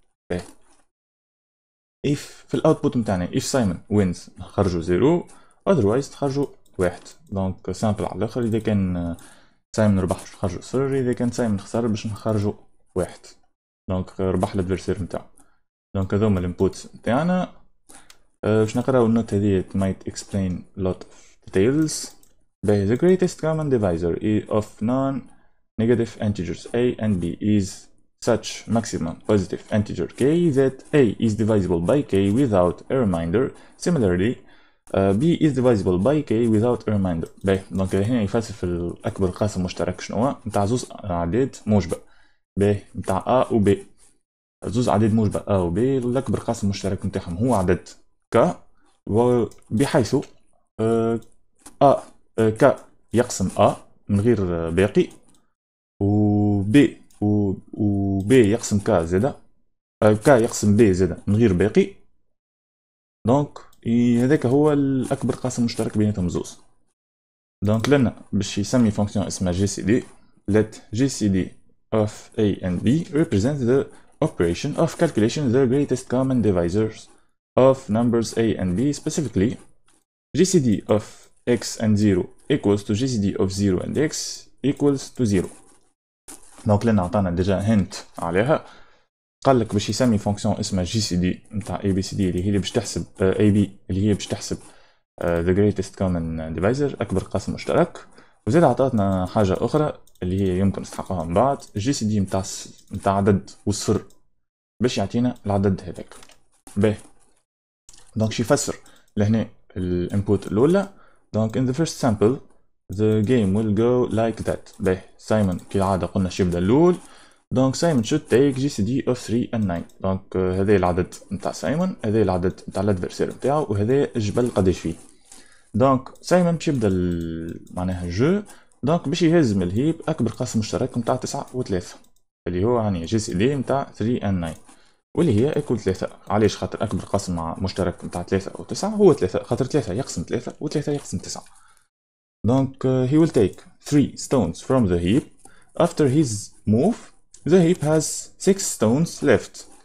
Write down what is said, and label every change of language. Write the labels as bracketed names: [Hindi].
[Arabic] باهي اف في الاوتبوت نتاعنا اف سايمون وينز نخرجو زيرو، اذروايز تخرجو واحد. دونك سامبل على الاخر، اذا كان سايمون ربح باش نخرجو صفر، اذا كان سايمون خسر باش نخرجو واحد. دونك ربح الادفيرسير نتاعو. دونك هذوما الانبوتس نتاعنا. باش نقراو النوت هذه [English] it might explain lot of details. باهي the greatest common divisor of non-negative integers a and b is such maximum positive integer k that a is divisible by k without a remainder. Similarly b is divisible by k without a remainder. [Arabic] باهي دونك هنا يفلسف الاكبر قاسم مشترك شنو هو نتاع زوز اعداد موجبة. باهي نتاع a و b زوز عدد موجبة A و B الأكبر قاسم مشترك نتاعهم هو عدد K، وبحيث A K يقسم A من غير باقي و B و B يقسم K زادا K يقسم B زادا من غير باقي. دونك هذاك هو الأكبر قاسم مشترك بينهم زوز. دونك لنا باش يسمي فونكسيون اسمها [English] GCD let GCD of A and B represent the operation of calculation the greatest common divisors of numbers a and b, specifically GCD of x and 0 equals to GCD of 0 and x equals to 0. [Arabic] دونك لنا عطانا ديجا هنت عليها. قال لك باش يسمي فونكسيون اسمها GCD نتاع ABCD اللي هي باش تحسب AB اللي هي باش تحسب [English] the greatest common divisor [Arabic] اكبر قاسم مشترك. وزاد عطاتنا حاجه اخرى اللي هي يمكن نستحقها من بعد GCD نتاع عدد والصفر باش يعطينا العدد هذاك ب. دونك شي فسر لهنا الانبوت الاولى. [English] دونك in the first sample the game will go like that. [Arabic] باه سايمون كالعاده قلنا شي يبدا الاول. دونك سايمون شو تيك [English] GCD of 3 and 9. [Arabic] دونك هذا العدد نتاع سايمون, هذا العدد نتاع الادفيرسير نتاعو, وهذا جبل قداش فيه. دونك سايمون باش يبدا معناها الجو. دونك باش يهزم الهيب اكبر قاسم مشترك نتاع 9 و 3 اللي هو يعني GCD نتاع 3 and 9 واللي هي ايكول 3. علاش؟ خاطر اكبر قاسم مشترك نتاع 3 و 9 هو 3, خاطر 3 يقسم 3 و 3 يقسم 9. [English] Donc he will take 3 stones from the heap. After his move, the heap has 6 stones left.